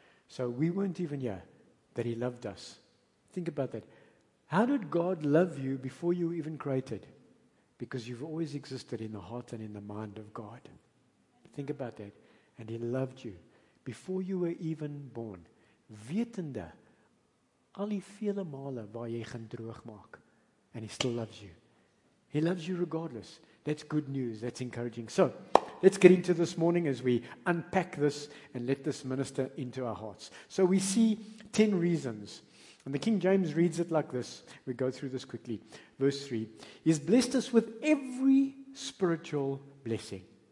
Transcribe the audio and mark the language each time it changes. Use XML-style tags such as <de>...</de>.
<en>So we weren't even here that he loved us. Think about that. How did God love you before you even created? Because you've always existed in the heart and in the mind of God. Think about that. And he loved you before you were even born.</en> <af>Wetende al die vele male waar jy gaan droog maak.</af> <en>And he still loves you. He loves you regardless. That's good news. That's encouraging. So, let's get into this morning as we unpack this and let this minister into our hearts. So, we see 10 reasons. And the King James reads it like this. We go through this quickly. Verse 3. He's blessed us with every spiritual blessing.</en>